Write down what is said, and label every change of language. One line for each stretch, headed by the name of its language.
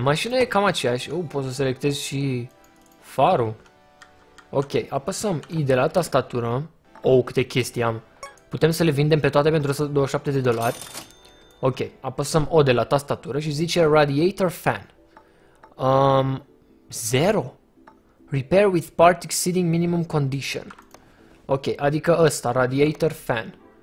Romanian: Mașina e cam aceeași. Pot să selectez și farul. Ok, apăsăm I de la tastatură. Câte chestii am. Putem să le vindem pe toate pentru $27. Ok, apăsăm O de la tastatură și zice radiator fan. 0.
English: Repair with part exceeding minimum condition.
Romanian: Ok, adică ăsta, radiator fan.